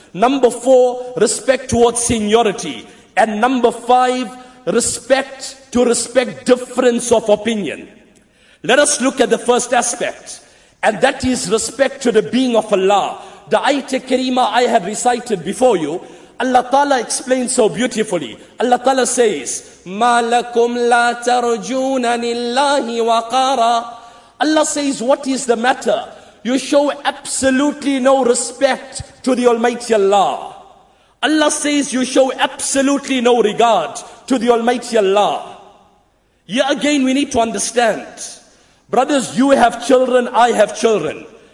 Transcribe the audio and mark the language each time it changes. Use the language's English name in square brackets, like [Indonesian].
[English] Number four, respect towards seniority. And number five, respect to respect difference of opinion. Let us look at the first aspect, and that is respect to the being of Allah. The ayatul kareema I have recited before you, Allah Ta'ala explains so beautifully. Allah Ta'ala says, [Arabic] مَا لَكُمْ لَا تَرْجُونَ لِلَّهِ وَقَارًا. [English] Allah says, what is the matter? You show absolutely no respect to the Almighty Allah. Allah says, you show absolutely no regard to the Almighty Allah. Here again, we need to understand. Brothers, you have children, I have children.